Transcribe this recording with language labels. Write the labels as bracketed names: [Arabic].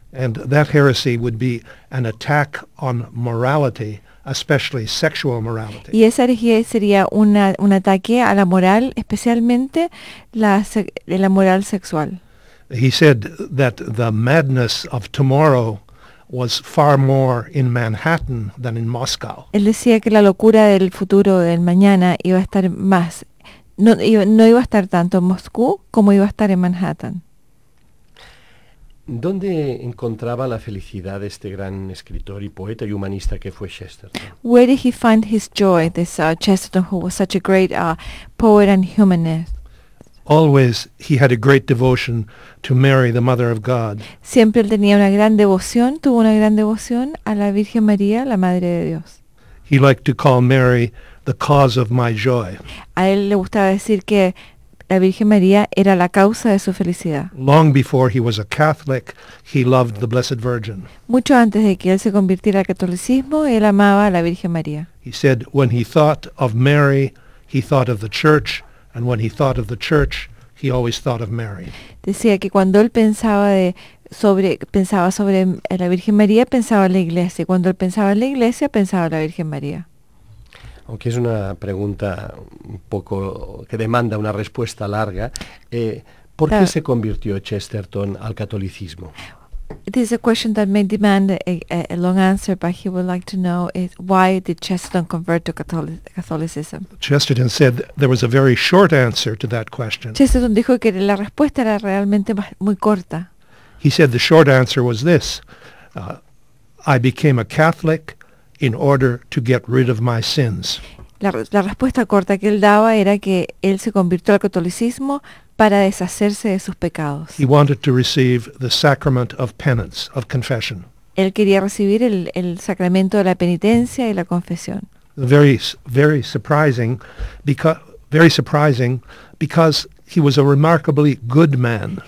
[English] And that heresy would be an attack on morality, especially sexual morality. [Spanish] Y esa herejía sería un ataque a la moral, especialmente la moral sexual. [English] He said that the madness of tomorrow was far more in Manhattan than in Moscow. [Spanish] Él decía que la locura del futuro del mañana iba a estar más, no iba a estar tanto en Moscú como iba a estar en Manhattan. ¿Dónde encontraba la felicidad este gran escritor y poeta y humanista que fue Chesterton? [English] Where did he find his joy, this Chesterton, who was such a great poet and humanist? Always he had a great devotion to Mary, the Mother of God. [Spanish] Siempre él tenía una gran devoción, tuvo una gran devoción a la Virgen María, la Madre de Dios. [English] He liked to call Mary the cause of my joy. [Spanish] A él le gustaba decir que la Virgen María era la causa de su felicidad. [English] Long before he was a Catholic, he loved the Blessed Virgin. [Spanish] Mucho antes de que él se convirtiera al catolicismo, él amaba a la Virgen María. [English] He said, when he thought of Mary, he thought of the Church, and when he thought of the Church, he always thought of Mary. [Spanish] Decía que cuando él pensaba sobre la Virgen María, pensaba en la Iglesia, y cuando él pensaba en la Iglesia, pensaba en la Virgen María. Aunque es una pregunta un poco que demanda una respuesta larga, ¿por qué se convirtió Chesterton al catolicismo? [English] It is a question that may demand a long answer, but he would like to know is why did Chesterton convert to Catholicism? Chesterton said there was a very short answer to that question. [Spanish] Chesterton dijo que la respuesta era realmente muy corta. [English] He said the short answer was this: I became a Catholic in order to get rid of my sins. [Spanish] La respuesta corta que él daba era que él se convirtió al catolicismo para deshacerse de sus pecados. [English] He wanted to receive the sacrament of penance, of confession. [Spanish] Él quería recibir el sacramento de la penitencia y la confesión. [English] Very surprising because he was a remarkably good man.